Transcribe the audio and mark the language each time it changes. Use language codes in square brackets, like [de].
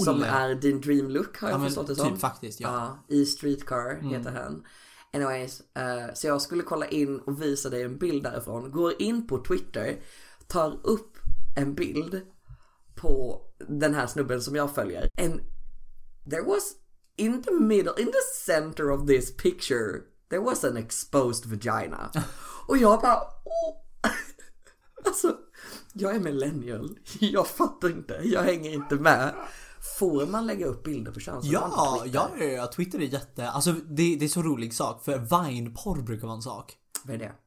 [sv] Som är din dream look, har jag förstått det som. Typ faktiskt, ja. I Streetcar heter han. Anyways, så jag skulle kolla in och visa dig en bild därifrån. Går in på Twitter, tar upp en bild på den här snubben som jag följer. [en] And there was in the middle, in the center of this picture, there was an exposed vagina. [sv] Och jag bara, alltså, jag är millennial. Jag fattar inte, jag hänger inte med. Får man lägga upp bilder på könsorgan på Twitter? Ja, Twitter är jätte, alltså det är så rolig sak. För Vine-porr brukar vara en sak. Vad är det?